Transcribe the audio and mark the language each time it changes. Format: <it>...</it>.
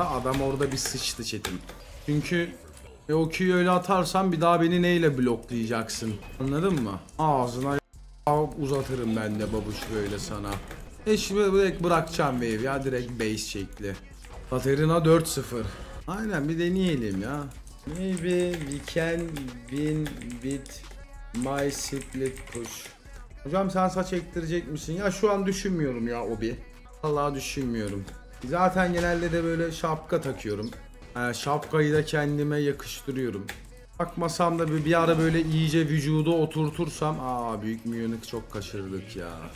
<tr>Adam orada bir sıçtı çetin. Çünkü o Q'yu öyle atarsan bir daha beni neyle bloklayacaksın? Anladın mı? Ağzına uzatırım ben de babuş böyle sana. Şimdi direkt bırakacağım wave ya, direkt base çekli. Katarina 4-0. Aynen, bir deneyelim ya.</tr> <en>Maybe we can win with my split push.</en> <tr>Hocam sen saç ektirecek misin? Ya şu an düşünmüyorum ya Obi. Vallahi düşünmüyorum. Zaten genelde de böyle şapka takıyorum. Yani şapkayı da kendime yakıştırıyorum. Bakmasam da bir ara böyle iyice vücuda oturtursam. Aa, büyük minyonu çok kaçırdık ya.</tr>